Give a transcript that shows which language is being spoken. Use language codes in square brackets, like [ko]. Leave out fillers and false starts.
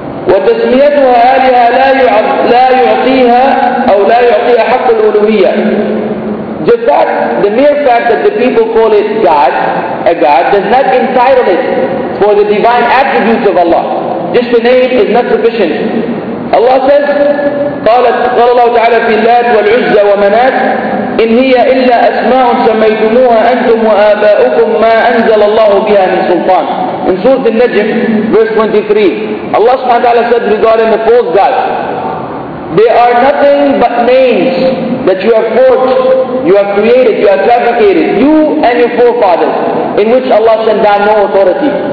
[ar] وَتَسْمِيَتُهَا آلِهَا لَا يُعْطِيهَا أَوْ لَا يُعْطِيهَا حَقُّ الْأُلُوهِيَةِ. [en] The fact, the mere fact that the people call it God, a God, does not entitle it for the divine attributes of Allah. Just a name is not sufficient. Allah says, [ar] قال الله تعالى في لات والعزى ومنات إن هي إلا أسماء سميتموها أنتم وآباؤكم ما أنزل الله بها من سلطان. [en] In Surah Al-Najm, verse 23, Allah subhanahu wa ta'ala said regarding the false gods, they are nothing but names that you have forged, you have created, you have fabricated, you and your forefathers, in which Allah sent down no authority.